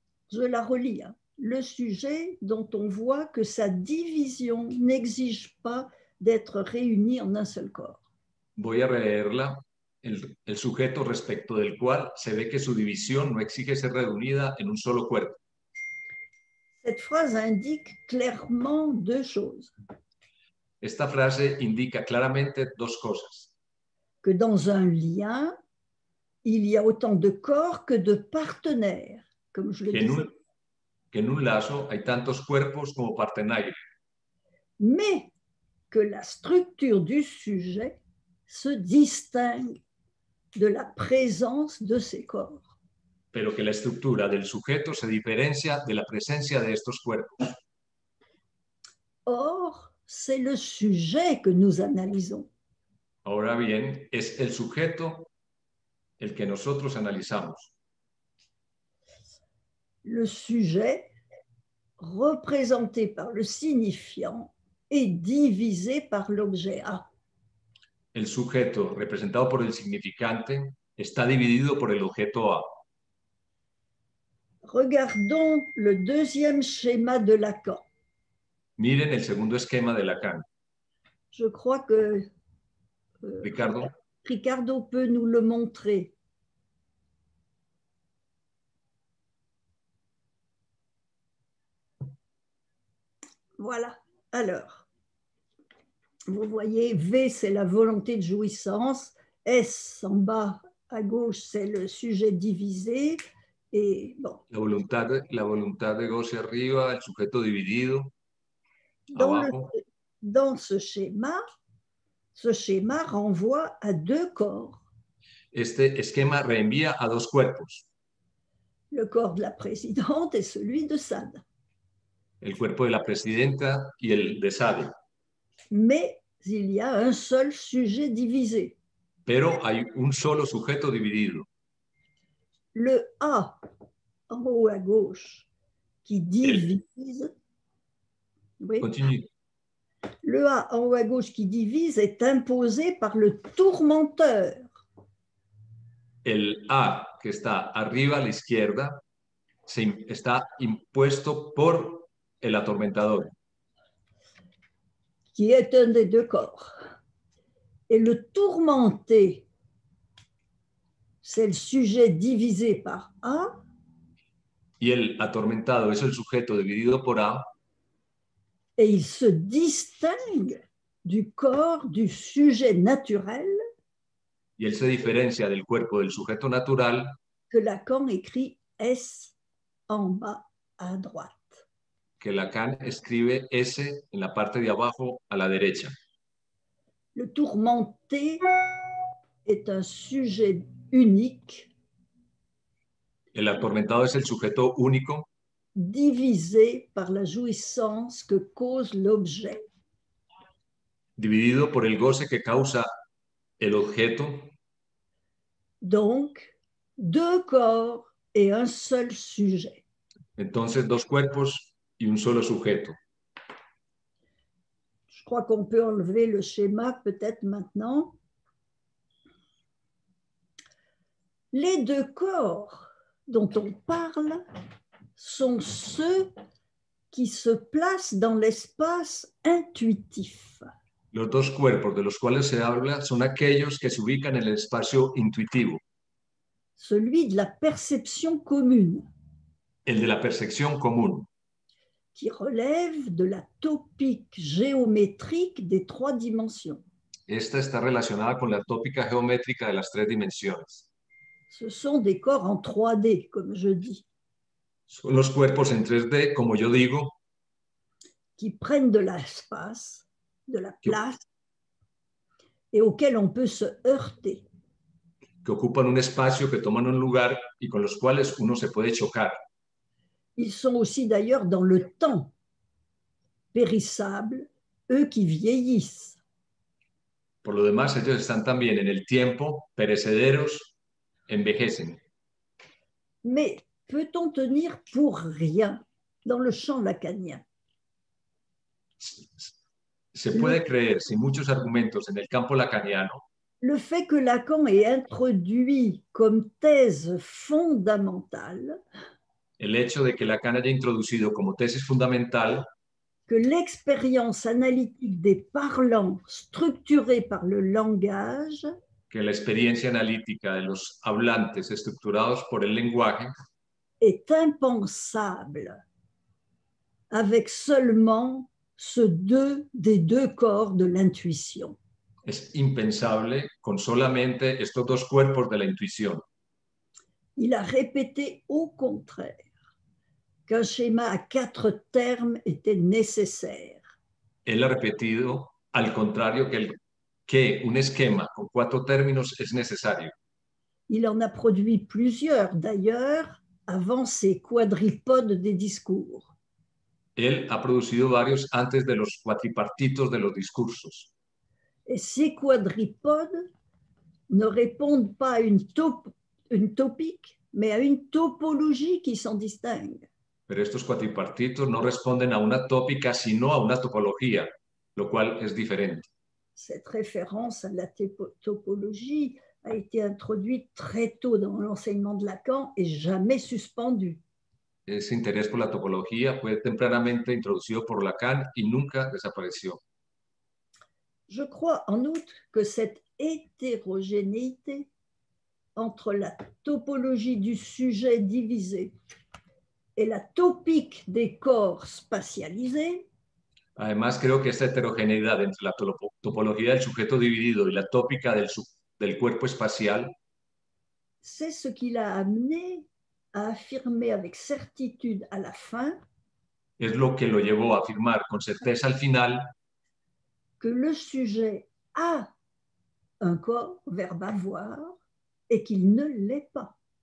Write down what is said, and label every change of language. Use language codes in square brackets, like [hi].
[fr] Je la relis. Hein. Le sujet dont on voit que sa division n'exige pas d'être réuni en un seul corps. [es] Voy a releerla. El sujeto respecto del cual se ve que su división no exige ser reunida en un solo cuerpo. [fr] Cette phrase indique clairement deux choses. [es] Esta frase indica claramente dos cosas. [fr] Que dans un lien, il y a autant de corps que de partenaires, comme je le disais. [es] Que en un lazo hay tantos cuerpos como partenarios. [fr] Mais que la structure du sujet se distingue de la présence de ces corps. [es] Pero que la estructura del sujeto se diferencia de la presencia de estos cuerpos. [fr] Or, c'est le sujet que nous analysons. [es] Ahora bien, es el sujeto el que nosotros analizamos. [fr] Le sujet représenté par le signifiant et divisé par l'objet A. [es] El sujeto representado por el significante está dividido por el objeto A. [fr] Regardons le deuxième schéma de Lacan. [es] Miren el segundo esquema de Lacan. [fr] Je crois que Ricardo. Ricardo peut nous le montrer. Voilà. Alors, vous voyez, V, c'est la volonté de jouissance. S, en bas à gauche, c'est le sujet divisé. Et bon. [es] La voluntad [fr] de gauche [es] arriba, el sujeto dividido. [fr] Dans ce schéma renvoie à deux corps. [es] Este esquema reenvía a dos cuerpos. [fr] Le corps de la présidente et celui de Sade. [es] El cuerpo de la presidenta y el de Sade. [fr] Mais il y a un seul sujet divisé. [es] Pero hay un solo sujeto dividido. [fr] Le A, en haut à gauche, qui divise. Oui. Continue. Le A, en haut à gauche, qui divise, est imposé par le tourmenteur. [es] El A, que está arriba a la izquierda, está impuesto por el atormentador. [fr] Qui est un des deux corps. Et le tourmenté, c'est le sujet divisé par A. [es] Y el atormentado es el sujeto dividido por A. [fr] Et il se distingue du corps du sujet naturel. [es] Y él se diferencia del cuerpo del sujeto natural. [fr] Que Lacan écrit S en bas à droite. [es] Que Lacan escribe S en la parte de abajo a la derecha. [fr] Le tourmenté est un sujet unique. [es] El atormentado es el sujeto único. [fr] divisé par la jouissance que cause l'objet. [es] Dividido por el goce que causa el objeto. [fr] Donc, deux corps et un seul sujet. [es] Entonces, dos cuerpos y un solo sujeto. [fr] Je crois qu'on peut enlever le schéma peut-être maintenant. Les deux corps dont on parle sont ceux qui se placent dans l'espace intuitif. [es] Los dos cuerpos de los cuales se habla son aquellos que se ubican en el espacio intuitivo. [fr] Celui de la perception commune. [es] El de la percepción común. [fr] Qui relève de la topique géométrique des trois dimensions. [es] Esta está relacionada con la tópica geométrica de las tres dimensiones. [fr] Ce sont des corps en 3D, comme je dis. [es] Son los cuerpos en 3D, como yo digo. [fr] Qui prennent de l'espace, de la place, et auxquels on peut se heurter. [es] Que ocupan un espacio, que toman un lugar, y con los cuales uno se puede chocar. [fr] Ils sont aussi d'ailleurs dans le temps, périssables, eux qui vieillissent. [es] Por lo demás, ellos están también en el tiempo, perecederos, envejecen. [fr] Mais peut-on tenir pour rien dans le champ lacanien? [es] Se puede creer sin muchos argumentos en el campo lacaniano. [fr] Le fait que Lacan ait introduit comme thèse fondamentale. [es] El hecho de que Lacan haya introducido como tesis fundamental. [fr] Que l'expérience analytique des parlants structurée par le langage. [es] Que la experiencia analítica de los hablantes estructurados por el lenguaje. [fr] Est impensable avec seulement. Ce deux des deux corps de l'intuition. [es] Es impensable con solamente estos dos cuerpos de la intuición. [fr] Il a répété au contraire qu'un schéma à quatre termes était nécessaire. [es] Él ha repetido al contrario que un esquema con cuatro términos es necesario. [fr] Il en a produit plusieurs d'ailleurs avant ses quadripodes des discours. [es] Él ha producido varios antes de los cuatripartitos de los discursos. [fr] Et ces quadripodes ne répondent pas à une topique, mais à une topologie qui s'en distingue. [es] Pero estos cuatripartitos no responden a una tópica, sino a una topología, lo cual es diferente. [fr] Cette référence à la topologie a été introduite très tôt dans l'enseignement de Lacan et jamais suspendue. [es] Ese interés por la topología fue tempranamente introducido por Lacan y nunca desapareció. [fr] Je crois en outre que cette hétérogénéité entre la topologie du sujet divisé et la topique des corps spatialisés. [es] Además, creo que esta heterogeneidad entre la topología del sujeto dividido y la tópica del cuerpo espacial. [fr] C'est ce qui l'a amené. A affirmé avec certitude à la fin. [es] Es lo que lo llevó a afirmar con certeza al final. [fr] Que le sujet a un corps, verbe avoir, et qu'il ne l'est pas.